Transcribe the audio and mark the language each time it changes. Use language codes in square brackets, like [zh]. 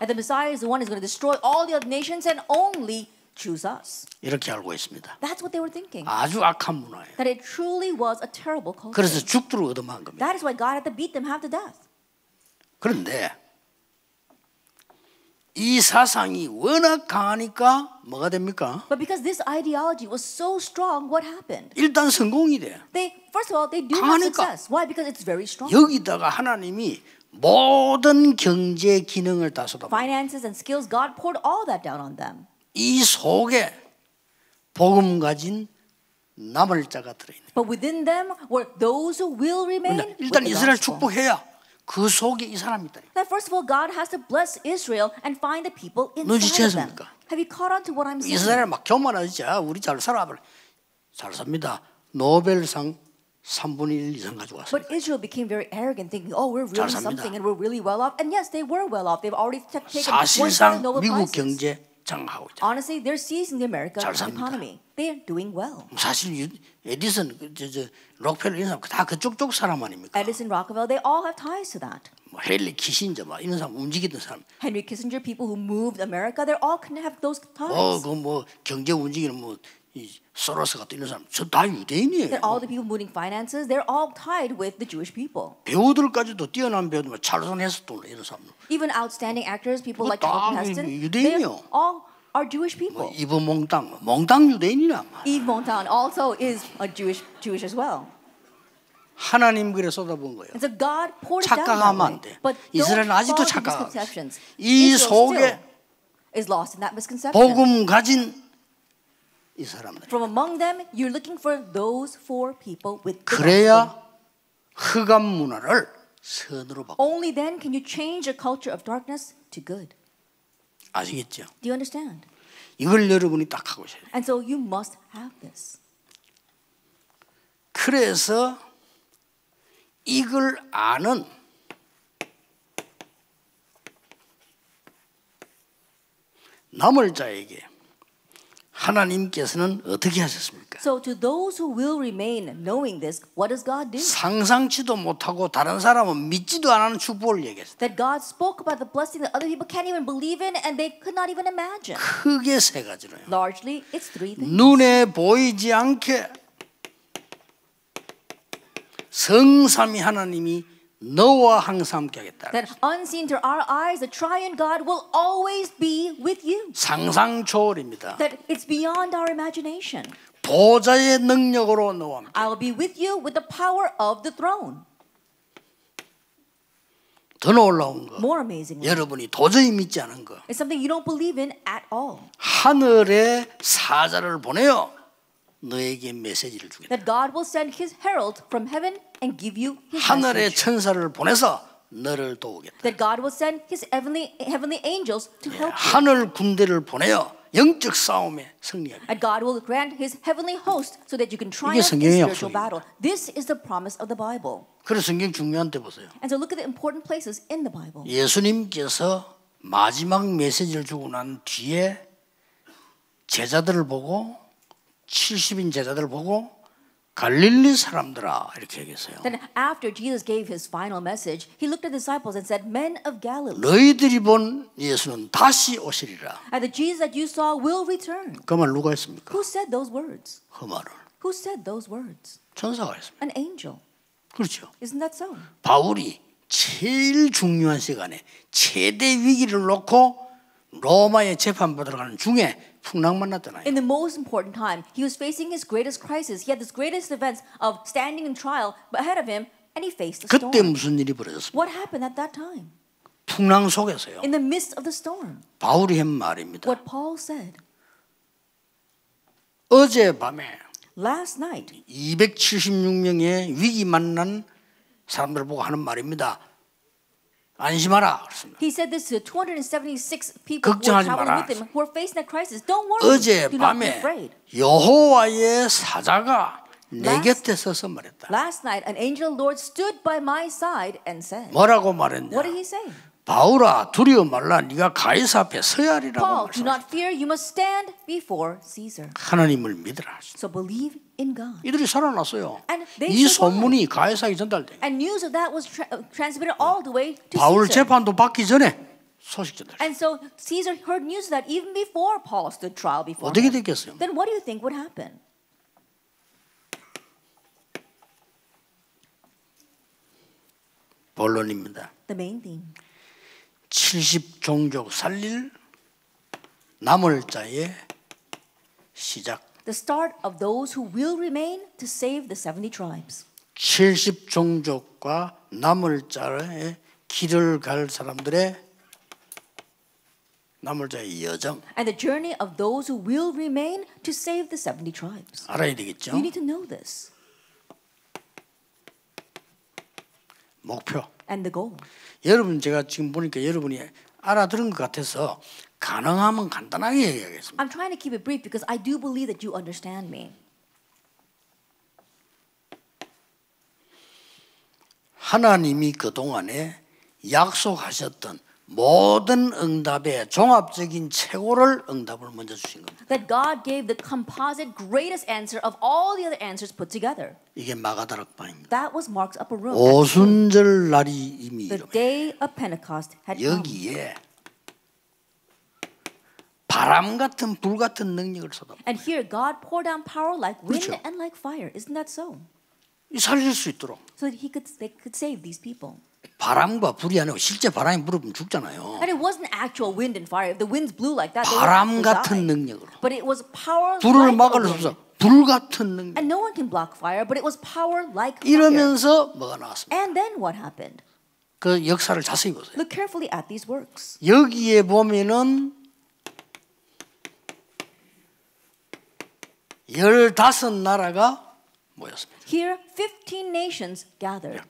[en] And the Messiah is the one who is going to destroy all the other nations and only choose us. [ko] 이렇게 알고 있습니다. [en] That's what they were thinking. [ko] 아주 악한 문화예요. [en] That it truly was a terrible culture. [ko] 그래서 죽도록 얻어맞은 겁니다. [en] That is why God had to beat them half to death. [ko] 그런데 이 사상이 워낙 강하니까 뭐가 됩니까? [en] But because this ideology was so strong, what happened? [ko] 일단 성공이 돼. [en] They first of all they do have success. Why? Because it's very strong. [ko] 여기다가 하나님이 모든 경제 기능을 다 쏟아. [en] Finances and skills, God poured all that down on them. [ko] 이 속에 복음 가진 남을 자가 들어 있는. [en] But within them were those who will remain. [ko] 일단 이스라엘 축복해야 그 속에 이 사람이 있다. [en] That first of all, God has to bless Israel and find the people inside them. Have you caught on to what I'm saying? [ko] 이스라엘 막 교만하지야. 우리 잘 살아, 잘 삽니다. 노벨상. 3분의 1 이상 가져왔어요. [en] But Israel became very arrogant, thinking, "Oh, we're really something, and we're really well off." And yes, they were well off. They've already taken one of the Nobel prizes. [ko] 사실상 미국 경제 장하고 있죠. [en] Honestly, they're seizing the American economy. They're doing well. [ko] 사실 에디슨, 록펠러 이런 사람 다 그쪽 쪽 사람 아닙니까? [en] Edison, Rockefeller, they all have ties to that. [ko] 뭐 헨리 키신저 막 이런 사람 움직이던 사람. [en] Henry Kissinger, people who moved America, they're all kind of have those ties. [ko] 뭐 경제 움직이는 뭐. 이 소로스 같은 이런 사람 저 다 유대인이에요. [en] That all the people moving finances, they're all tied with the Jewish people. [ko] 배우들까지도 뛰어난 배우들, 찰스턴 헤스턴 이런 사람. [en] Even outstanding actors, people like Charlton Heston, they all are Jewish people. [ko] 뭐 이브 몽땅, 몽땅 유대인이라. [en] Yves Montand also is a Jewish as well. [ko] 하나님 그래 쏟아본 거예요. [en] And so God poured [ko] 착각하면 안 돼. [en] But [ko] 이스라엘은 아직도 착각하고 이 속에 [en] is lost in that misconception. [ko] 복음 가진 이 사람들. [en] From among them, you're looking for those four people with the [ko] 그래야 [en] gospel. [ko] 흑암 문화를 선으로 바꿔. [en] Only then can you change a culture of darkness to good. [ko] 아시겠죠? [en] Do you understand? [ko] 이걸 여러분이 딱 하고 있어요. [en] And so you must have this. [ko] 그래서 이걸 아는 남을 자에게 하나님께서는 어떻게 하셨습니까? [en] So to those who will remain knowing this, what does God do? [ko] 상상치도 못하고 다른 사람은 믿지도 않는 축복을 얘기했어요. [en] That God spoke about the blessing that other people can't even believe in and they could not even imagine. [ko] 크게 세 가지로요. [en] Largely, it's three things. [ko] 눈에 보이지 않게 성삼위 하나님이 너와 항상 함께하겠다. [en] That unseen to our eyes, the triune God will always be with you. [ko] 상상 초월입니다. [en] That it's beyond our imagination. [ko] 보좌의 능력으로 너와 함께. [en] I'll be with you with the power of the throne. [ko] 더 놀라운 거. [en] More amazing. [ko] 여러분이 도저히 믿지 않은 거. [en] It's something you don't believe in at all. [ko] 하늘에 사자를 보내요. 너에게 메시지를 주겠다. [en] That God will send His herald from heaven and give you His message. [ko] 하늘의 천사를 보내서 너를 도우겠다. [en] That God will send His heavenly angels to help you. [ko] 하늘 군대를 보내어 영적 싸움에 승리하겠다. [en] That God will grant His heavenly host so that you can triumph in spiritual battle. This is the promise of the Bible. [ko] 그래서 성경 중요한 데 보세요. [en] And so look at the important places in the Bible. [ko] 예수님께서 마지막 메시지를 주고 난 뒤에 제자들을 보고 70인 제자들 보고 갈릴리 사람들아 이렇게 얘기했어요. [en] Then after Jesus gave his final message, he looked at the disciples and said, "Men of Galilee, [ko] 너희들이 본 예수는 다시 오시리라." [en] And the Jesus that you saw will return. [ko] 그 말 누가 했습니까? [en] Who said those words? [ko] 그 말을. [en] Who said those words? [ko] 천사가 했습니다. [en] An angel. [ko] 그렇죠. [en] Isn't that so? [ko] 바울이 제일 중요한 시간에 최대 위기를 놓고 로마에 재판받으러 가는 중에 풍랑 만났잖아요. [en] In the most important time, he was facing his greatest crisis. He had this greatest event of standing in trial ahead of him, and he faced the storm. [ko] 그때 무슨 일이 벌어졌어요? [en] What happened at that time? [ko] 풍랑 속에서요. [en] In the midst of the storm. [ko] 바울이 한 말입니다. [en] What Paul said. [ko] 어젯밤에 [en] last night, [ko] 276명의 위기 만난 사람들 보고 하는 말입니다. 안심하라. 그렇습니다. [en] He said this to 276 people [ko] 걱정하지 [en] who were traveling [ko] 마라. [en] with him who were facing that crisis. Don't worry. [ko] 어젯밤에 여호와의 사자가 내 곁에 서서 말했다. [en] Last night, an angel of the Lord stood by my side and said. [ko] 뭐라고 말했냐? [en] What did he say? [ko] 바울아, 두려워 말라. 네가 가이사 앞에 서야 하리라고 [en] Paul, [ko] 말했다. [en] Paul, do not fear. You must stand before Caesar. [ko] 하나님을 믿으라. [en] So believe in God. [ko] 이들이 살아났어요. [en] And they [ko] 이 소문이 가이사에게 전달돼. [en] And news of that was transmitted all the way to Caesar. [ko] 바울 재판도 받기 전에 소식 전달돼. [en] And so Caesar heard news of that even before Paul stood trial before. [ko] 어떻게 [en] him. [ko] 됐겠어요? [en] Then what do you think would happen? [ko] 본론입니다. [en] The main thing. [ko] 70종족 살릴 남을 자의 시작. [en] The start of those who will remain to save the 70 tribes. [ko] 70종족과 남을 자의 길을 갈 사람들의 남을 자의 여정. [en] And the journey of those who will remain to save the 70 tribes. [ko] 알아야 되겠죠? [en] You need to know this. [ko] 목표. [en] And the goal. [ko] 여러분 제가 지금 보니까 여러분이 알아들은 것 같아서 가능하면 간단하게 얘기하겠습니다. [en] I'm trying to keep it brief because I do believe that you understand me. [ko] 하나님이 그동안에 약속하셨던 모든 응답의 종합적인 최고를 응답을 먼저 주신 겁니다. [en] That God gave the composite greatest answer of all the other answers put together. [ko] 이게 마가다락방입니다. [en] That was Mark's upper room. [ko] 오순절 날이 이미 [en] The day of Pentecost had come. [ko] 여기에 바람 같은 불 같은 능력을 쏟아. [en] And here God poured down power like wind [ko] 그렇죠. [en] and like fire. Isn't that so? [ko] 이 살릴 수 있도록. [en] So that they could save these people. [ko] 바람과 불이 아니고 실제 바람이 불으면 죽잖아요. [en] And it wasn't actual wind and fire. If the winds blew like that, [ko] 바람 같은 능력으로. [en] But it was power. [ko] 불을 막을 수 없어. 불 같은 능력. [en] And no one can block fire, but it was power like fire. [ko] 이러면서 뭐가 나왔습니까? [en] And then what happened? [ko] 그 역사를 자세히 보세요. [en] Look carefully at these works. [ko] 여기에 보면은 열다섯 나라가 모였습니다. [en] Here, 15 nations gathered.